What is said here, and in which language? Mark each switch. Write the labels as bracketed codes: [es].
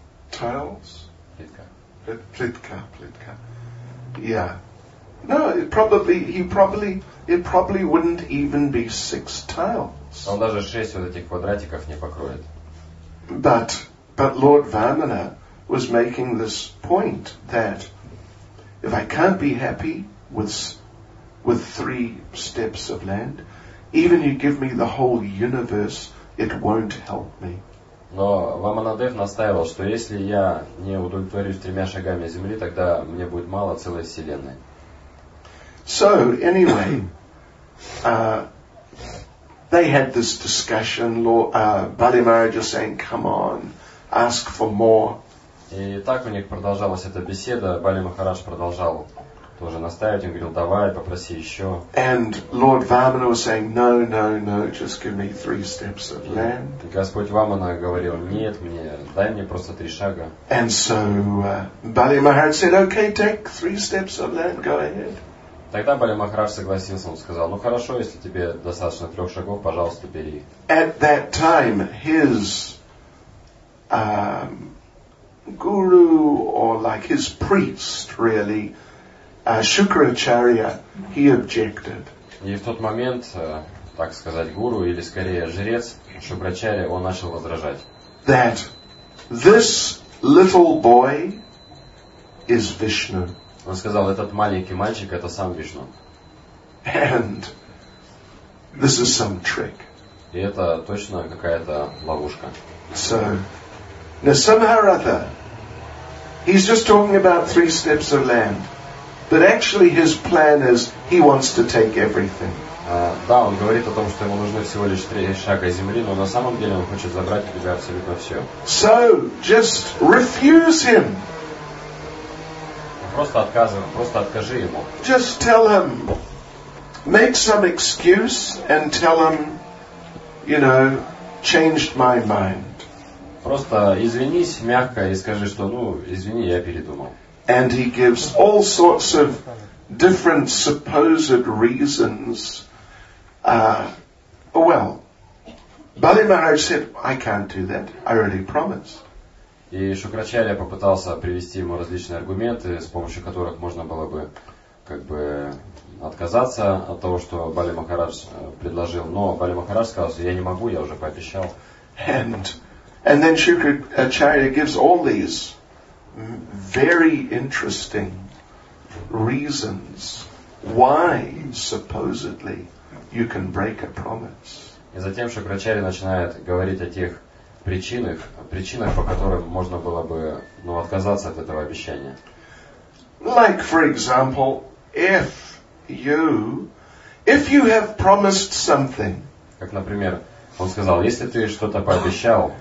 [en] Tiles? [ru] Плитка. Плитка. [en] Yeah. No, it probably wouldn't even be 6 tiles. [ru] Он даже 6 вот этих квадратиков не покроет. [en] But Lord Vamana was making this point that if I can't be happy with 3 steps of land, even you give me the whole universe, it won't help me. [ru] Но Ваманадев настаивал, что если я не удовлетворюсь 3 шагами земли, тогда мне будет мало целой вселенной. [en] So anyway, They had this discussion, Bartimaeus just saying, come on, ask for more. [ru] И так у них продолжалась эта беседа. Бали Махарадж продолжал тоже настаивать. Он говорил, давай, попроси еще. [en] And Lord Vamana was saying, no, no, no, just give me 3 steps of land. [ru] И Господь Вамана говорил, нет, мне, дай мне просто 3 шага. [en] And so Bali Махарадж said, okay, take 3 steps of land, go ahead. [ru] Тогда Бали Махарадж согласился, он сказал, ну хорошо, если тебе достаточно 3 шагов, пожалуйста, бери. [en] At that time, his guru, or like his priest, really, Shukracharya, he objected. [ru] И в тот момент, так сказать, гуру, или скорее жрец, Шукрачарья, он начал возражать. [en] That this little boy is Vishnu. [ru] Он сказал, этот маленький мальчик, это сам Вишну. [en] And this is some trick. [ru] И это точно какая-то ловушка. [en] So, now somehow or other, he's just talking about 3 steps of land. But actually his plan is, he wants to take everything. [ru] Да, он говорит о том, что ему нужны всего лишь 3 шага земли, но на самом деле он хочет забрать у тебя абсолютно все. [en] So, just refuse him. [ru] Просто отказывай, просто откажи ему. [en] Just tell him, make some excuse and tell him, you know, changed my mind. [ru] Просто извинись мягко и скажи, что, ну, извини, я передумал. [en] And he gives all sorts of different supposed reasons. Well, Bali Maharaj said, I can't do that, I already promised. [ru] И Шукрачарья попытался привести ему различные аргументы, с помощью которых можно было бы, как бы, отказаться от того, что Бали Махарадж предложил. Но Бали Махарадж сказал, что я не могу, я уже пообещал. [en] And then Shukracharya gives all these very interesting reasons why supposedly you can break a promise. [ru] И затем Шукрачарья начинает говорить о тех причинах, по которым можно было бы, ну, отказаться от этого обещания. [en] Like, for example, if you have promised something. [ru] Как, например, он сказал, если ты что-то пообещал.